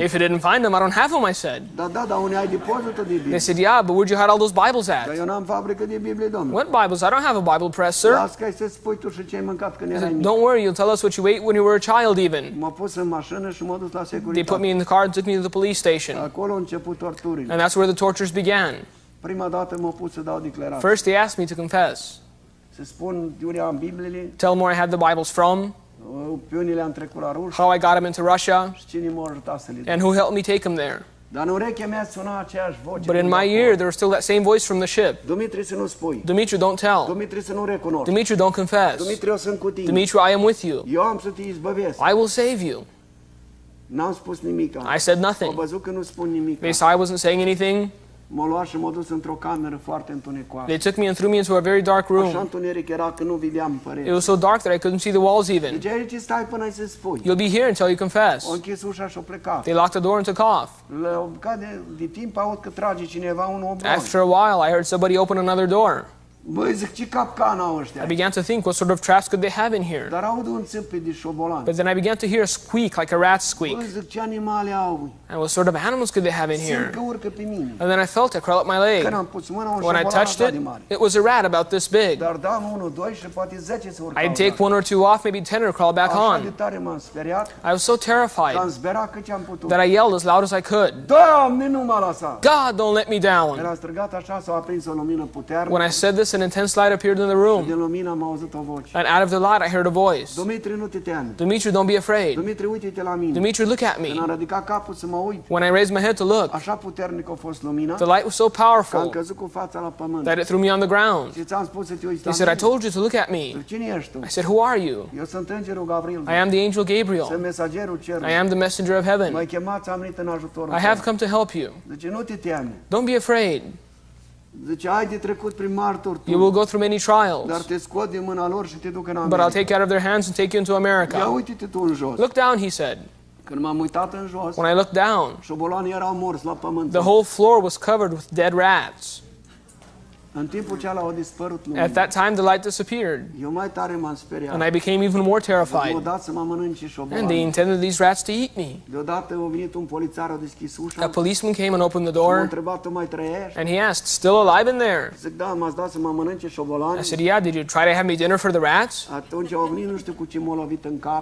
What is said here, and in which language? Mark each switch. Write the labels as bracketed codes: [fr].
[en] If you didn't find them, I don't have them, I said. [ro] Da, unde ai depozitul de Biblie? [en] They said, "Yeah, but where'd you hide all those Bibles at?" [ro] Eu n-am fabrică de Biblie, domnule. [en] What Bibles? I don't have a Bible press, sir. [ro] Lasă că să spui tu și ce ai mâncat când erai mic. [en] Don't worry, you'll tell us what you ate when you were a child even. [ro] M-a pus în mașină și m-a dus la. [en] They put me in the car and took me to the police station. [ro] Acolo a început torturile. [en] And that's where the tortures began. [ro] Prima dată m-au pus să dau declarații. [en] First they asked me to confess. [ro] Să spun de unde am Bibliile. [en] Tell them where I had the Bibles from. [ro] Pe unde le-am trecut la Rusia. [en] How I got them into Russia. [ro] Și cine m-a ajutat să le [en] duc. And who helped me take them there. [ro] Dar în urechea mea suna aceeași voce. [en] But in my ear, there was still that same voice from the ship. [ro] Dimitru, să nu spui. [en] Dimitru, don't tell. [ro] Dimitru, să nu recunoști. [en] Dimitru, don't confess. [ro] Dimitru, eu sunt cu tine. [en] Dimitru, I am with you. [ro] Eu am să te izbăvesc. [en] I will save you. [ro] N-am spus nimic. [en] I said nothing. [ro] Au văzut că nu spun nimic. [en] They saw I wasn't saying anything. [ro] M-au luat și m-au dus într-o cameră foarte întunecoasă. [en] They took me and threw me into a very dark room. [ro] Așa întuneric era că nu vedeam pereți. [en] It was so dark that I couldn't see the walls even. [ro] Deci aici stai până să spui. [en] You'll be here until you confess. [ro] Au închis ușa și au plecat. [en] They locked the door and took off. [ro] La o bucată de timp aud că trage cineva un obor. [en] After a while, I heard somebody open another door. [ro] Băi, zic, ce capcană au ăștia? [en] I began to think, what sort of traps could they have in here? [ro] Dar aud un țâmpit de șobolan. [en] But then I began to hear a squeak, like a rat squeak. [ro] Băi, zic, ce animale au? [en] And what sort of animals could they have in here? [ro] Simt că urcă pe mine. [en] And then I felt it crawl up my leg. [ro] Când am pus mâna, [en] when I touched it, it was a rat about this big. [ro] Dar dam unul, doi și poate 10 să urcă. [en] I'd take one or two off, maybe 10 or crawl back on. [ro] Așa de tare m-am speriat. [en] I was so terrified. [ro] Am zberat cât am putut. [en] That I yelled as loud as I could. [ro] Doamne, nu m-a lăsat. [en] God, don't let me down. [ro] Era strigat așa, s-a aprins o lumină puternică. [en] When I said this, an intense light appeared in the room. [ro] De lumină am auzit o voce. [en] And out of the light I heard a voice. [ro] Dimitru, nu te teme. [en] Dimitru, don't be afraid. [ro] Dimitru, uite-te la mine. [en] Dimitru, look at me. [ro] Când am ridicat capul să mă uit. [en] When I raised my head to look. [ro] Așa puternic a fost lumina. [en] The light was so powerful. [ro] Că am căzut cu fața la pământ. [en] That it threw me on the ground. [ro] Și ți-am spus să te uiți la [en] mine. He said, I told you to look at me. [ro] Cine ești tu? [en] I said, who are you? [ro] Eu sunt îngerul Gabriel. [en] I am the angel Gabriel. [ro] Sunt mesagerul cerului. [en] I am the messenger of heaven. [ro] M-ai chemat, am venit în ajutorul [en] tău. I have come to help you. [ro] Deci nu te teme. [en] Don't be afraid. You will go through many trials. [ro] Dar te scot din mâna lor și te duc în America. [en] But I'll take you out of their hands and take you into America. [ro] Ia uite-te tu în jos. [en] Look down, he said. [ro] Când m-am uitat în jos, [en] when I looked down, [ro] șobolanii erau morți la pământ. [en] The whole floor was covered with dead rats. [ro] În timpul ce alea a dispărut lumina. [en] At that time, the light disappeared. [ro] Eu mai tare m-am speriat. [en] And I became even more terrified. [ro] Deodată să mă mănânce șobolanii. [en] And they intended these rats to eat me. [ro] Deodată a venit un polițar, a deschis ușa. [en] A policeman came and opened the door. [ro] M-a întrebat, tu mai trăiești? [en] And he asked, still alive in there? [ro] Zic, da, m-ați dat să mă mănânce șobolanii. [en] I said, yeah, did you try to have me dinner for the rats? [ro] Atunci a venit, nu știu cu ce m-a lovit în cap.